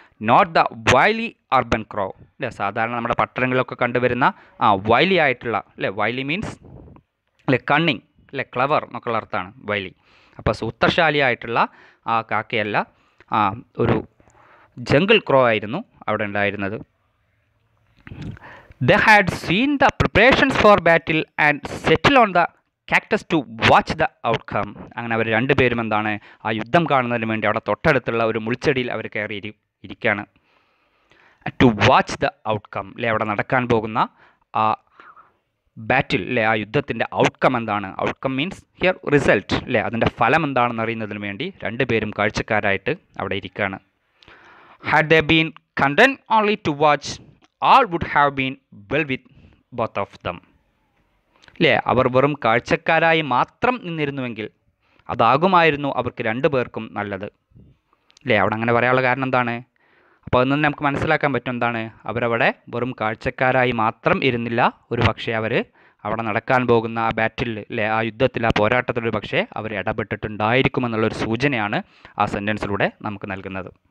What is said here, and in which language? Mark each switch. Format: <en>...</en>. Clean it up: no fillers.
<en>not the wily urban crow</en> <ml>അല്ലെ, സാധാരണ നമ്മുടെ പട്ടണങ്ങളിലൊക്കെ കണ്ടുവരുന്ന ആ വൈലി ആയിട്ടുള്ള അല്ലെ,</ml> <en>wily means</en> <ml>അല്ലെ കണ്ണിങ് അല്ലെ ക്ലവർ എന്നൊക്കെയുള്ള അർത്ഥമാണ് വൈലി. അപ്പോൾ സൂത്രശാലി ആയിട്ടുള്ള ആ കാക്കയല്ല, ആ ഒരു ജംഗിൾ ക്രോ ആയിരുന്നു അവിടെ ഉണ്ടായിരുന്നത്.</ml> <en>They had seen the preparations for battle and settled on the cactus to watch the outcome.</en> <ml>അങ്ങനെ അവർ രണ്ടുപേരും എന്താണ് ആ യുദ്ധം കാണുന്നതിന് വേണ്ടി അവിടെ തൊട്ടടുത്തുള്ള ഒരു മുൾച്ചെടിയിൽ അവർ കയറി ഇരിക്കുകയാണ്.</ml> <en>to watch the outcome</en> <ml>അല്ലെ, അവിടെ നടക്കാൻ പോകുന്ന ആ ബാറ്റിൽ അല്ലെ, ആ യുദ്ധത്തിൻ്റെ ഔട്ട്കം എന്താണ്.</ml> <en>outcome means here result</en> <ml>അല്ലെ, അതിൻ്റെ ഫലം എന്താണെന്ന് അറിയുന്നതിന് വേണ്ടി രണ്ടുപേരും കാഴ്ചക്കാരായിട്ട് അവിടെ ഇരിക്കുകയാണ്.</ml> <en>Had they been content only to watch, all would have been well with both of them.</en> <ml>അല്ലേ, അവർ വെറും കാഴ്ചക്കാരായി മാത്രം നിന്നിരുന്നുവെങ്കിൽ അതാകുമായിരുന്നു അവർക്ക് രണ്ടു പേർക്കും നല്ലത് അല്ലേ. അവിടെ അങ്ങനെ പറയാനുള്ള കാരണം എന്താണ്? അപ്പോൾ അതിൽ നിന്ന് നമുക്ക് മനസ്സിലാക്കാൻ പറ്റും എന്താണ്, അവരവിടെ വെറും കാഴ്ചക്കാരായി മാത്രം ഇരുന്നില്ല, ഒരു പക്ഷേ അവർ അവിടെ നടക്കാൻ പോകുന്ന ആ ബാറ്റിലിൽ അല്ലേ, ആ യുദ്ധത്തിൽ, ആ പോരാട്ടത്തിൽ ഒരു പക്ഷേ അവർ ഇടപെട്ടിട്ടുണ്ടായിരിക്കുമെന്നുള്ളൊരു സൂചനയാണ് ആ സെൻറ്റൻസിലൂടെ നമുക്ക് നൽകുന്നത്.</ml>